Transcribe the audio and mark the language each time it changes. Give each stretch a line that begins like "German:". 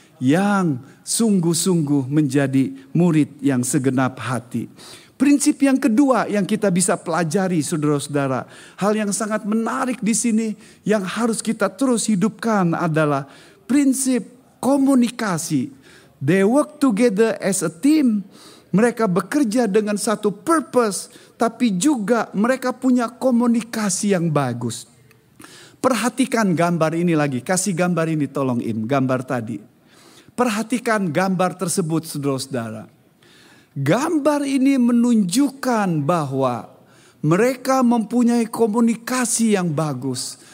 Indonesian: Yang sungguh-sungguh menjadi murid yang segenap hati. Prinsip yang kedua yang kita bisa pelajari, saudara-saudara. Hal yang sangat menarik di sini. Yang harus kita terus hidupkan adalah prinsip komunikasi.
English: They work together as a team.
Indonesian: Mereka bekerja dengan satu purpose, tapi juga mereka punya komunikasi yang bagus. Perhatikan gambar ini lagi, kasih gambar ini tolong Im, gambar tadi. Perhatikan gambar tersebut, saudara-saudara. Gambar ini menunjukkan bahwa mereka mempunyai komunikasi yang bagus.